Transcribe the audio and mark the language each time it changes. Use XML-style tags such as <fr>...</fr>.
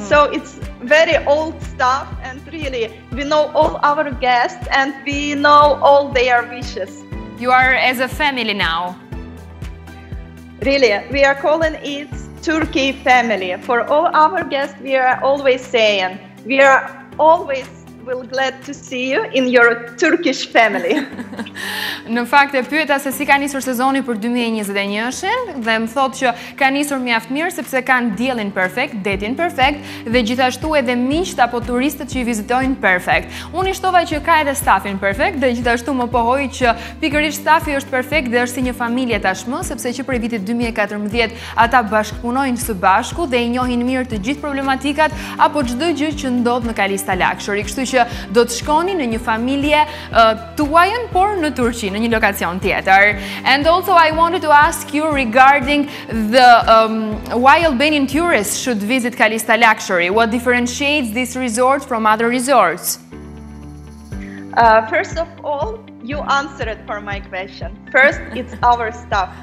<en>So it's very old stuff, and really we know all our guests and we know all their wishes. You are as a family now. Really, we are calling it Turkey family. For all our guests we are always saying we are always will glad to see you in your Turkish family.</en> <sq>Në fakt e pyeta se si ka nisur sezoni për 2021-shën dhe më thotë që ka nisur mjaft mirë sepse kanë diellin perfekt, detin perfekt dhe gjithashtu edhe miqtë apo turistët që i vizitojnë perfekt. Unë i shtova që ka edhe stafin perfekt dhe gjithashtu më pohoi që pikërisht stafi është perfekt dhe është si një familje tashmë sepse që prej vitit 2014 ata bashkëpunojnë së bashku dhe i njohin mirë të gjithë problematikat apo çdo gjë që ndodh në Calista Luxury. Kështu që do të shkoni në një familje tuajën por në Turqi.</sq> <en>And also I wanted to ask you regarding the why Albanian tourists should visit Calista Luxury. What differentiates this resort from other resorts? First of all, you answered for my question. First, it's our staff.</en>